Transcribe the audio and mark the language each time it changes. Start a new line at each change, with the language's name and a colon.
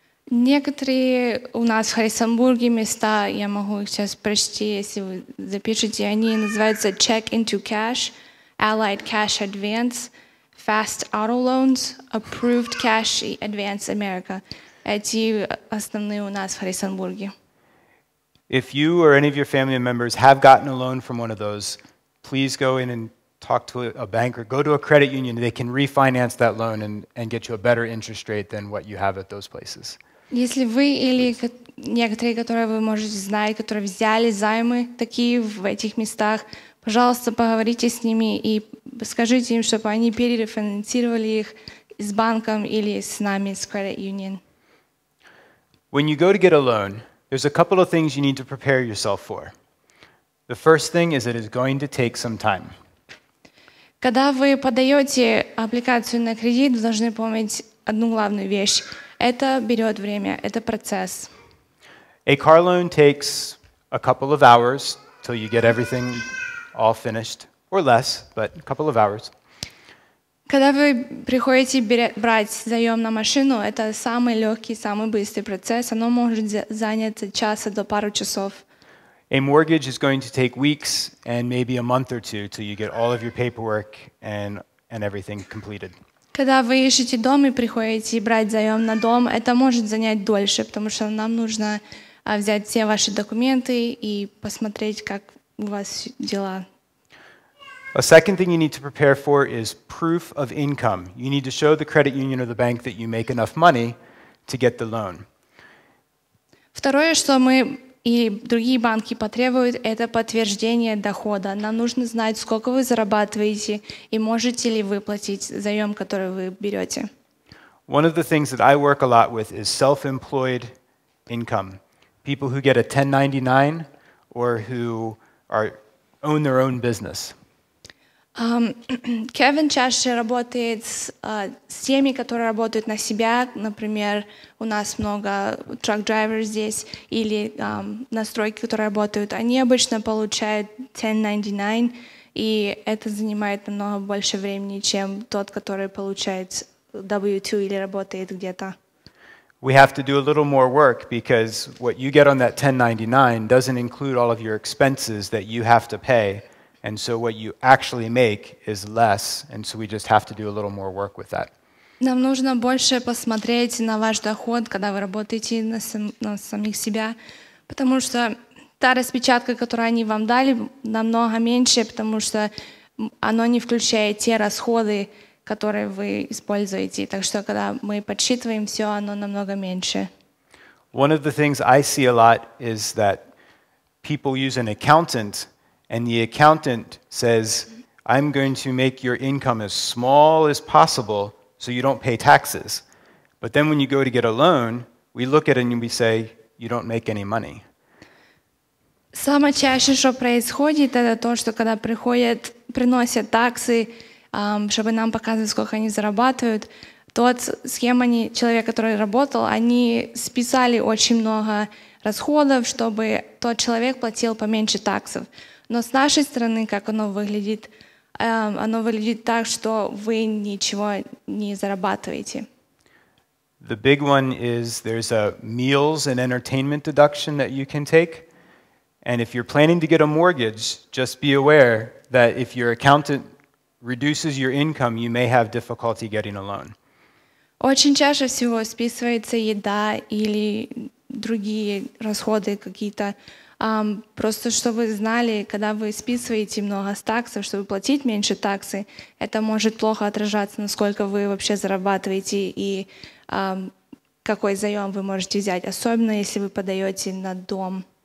Russian: Некоторые у нас в Хайсамбурге места, я могу их сейчас прочти, если вы запишете, они называются Check Into Cash, Allied Cash Advance, Fast Auto Loans, Approved Cash, и Advance America. Эти основные у нас в Хайсамбурге.
English: If you or any of your family members have gotten a loan from one of those, please go in and talk to a bank or go to a credit union, they can refinance that loan and get you a better interest rate than what you have at those places.
Russian: Если вы или некоторые, которые вы можете знать, которые взяли займы такие в этих местах, пожалуйста, поговорите с ними и скажите им, чтобы они перерефинансировали их с банком или с нами, с credit union.
English: When you go to get a loan, there's a couple of things you need to prepare yourself for. The first thing is it is going to take some time.
Russian: Когда вы подаете аппликацию на кредит, вы должны помнить одну главную вещь. Это берет время, это процесс.
English: A car loan takes a couple of hours till you get everything all finished, or less, but a couple of hours.
Russian: Когда вы приходите брать заем на машину, это самый легкий, самый быстрый процесс. Оно может занять часа до пару часов.
English: A mortgage is going to take weeks and maybe a month or two till you get all of your paperwork and everything completed.
Russian: Когда вы ищете дом и приходите брать заем на дом, это может занять дольше, потому что нам нужно взять все ваши документы и посмотреть, как у вас дела.
English: A second thing you need to prepare for is proof of income. You need to show the credit union or the bank that you make enough money to get the loan.
Russian: Второе, что мы и другие банки потребуют это подтверждение дохода. Нам нужно знать, сколько вы зарабатываете и можете ли выплатить заем, который вы берете.
English: One of the things that I work a lot with is self-employed income. People who get a 1099 or who are, own their own business.
Russian: Кевин чаще работает с теми, которые работают на себя. Например, у нас много truck-driver здесь или на стройке, которые работают. Они обычно получают 1099, и это занимает намного больше времени, чем тот, который получает W-2 или работает где-то.
English: We have to do a little more work because what you get on that 1099 doesn't include all of your expenses that you have to pay. And so what you actually make is less, and so we just have to do a little more work with that.
Russian: Нам нужно больше посмотреть на ваш доход, когда вы работаете на самих себя, потому что та распечатка, которую они вам дали, намного меньше, потому что оно не включает те расходы, которые вы используете. Так что когда мы подсчитываем все, оно намного меньше.
English: One of the things I see a lot is that people use an accountant. And the accountant says, I'm going to make your income as small as possible so you don't pay taxes. But then when you go to get a loan, we look at it and we say, you don't make any money.
Russian: Самое чаще, что происходит, это то, что когда приходят, приносят таксы, чтобы нам показывать, сколько они зарабатывают, тот схема, человек, который работал, они списали очень много расходов, чтобы тот человек платил поменьше таксов. Но с нашей стороны, как оно выглядит так, что вы ничего не зарабатываете.
English: The big one is there's a meals and entertainment deduction that you can take. And if you're planning to get a mortgage, just be aware that if your accountant reduces your income, you may have difficulty getting a loan.
Russian: Очень чаще всего списывается еда или другие расходы какие-то. Просто чтобы вы знали, когда вы списываете много с таксов, чтобы платить меньше таксы, это может плохо отражаться, насколько вы вообще зарабатываете и какой заем вы можете взять, особенно если вы подаете на дом.